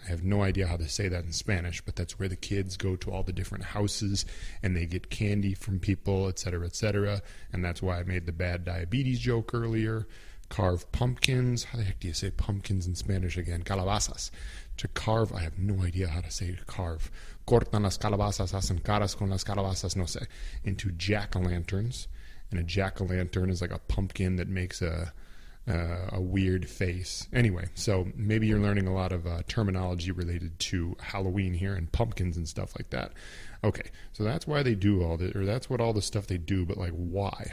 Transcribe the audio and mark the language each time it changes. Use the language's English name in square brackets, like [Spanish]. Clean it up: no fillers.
[English] I have no idea how to say that in Spanish, but that's where the kids go to all the different houses, and they get candy from people, et cetera, et cetera. And that's why I made the bad diabetes joke earlier. Carve pumpkins. How the heck do you say pumpkins in Spanish again? Calabazas. To carve, I have no idea how to say carve. [Spanish] Cortan las calabazas, hacen caras con las calabazas, no sé. [English] Into jack-o'-lanterns. And a jack-o'-lantern is like a pumpkin that makes a weird face. Anyway, so maybe you're learning a lot of terminology related to Halloween here and pumpkins and stuff like that. Okay, so that's why they do all this, or that's what all the stuff they do, but like why?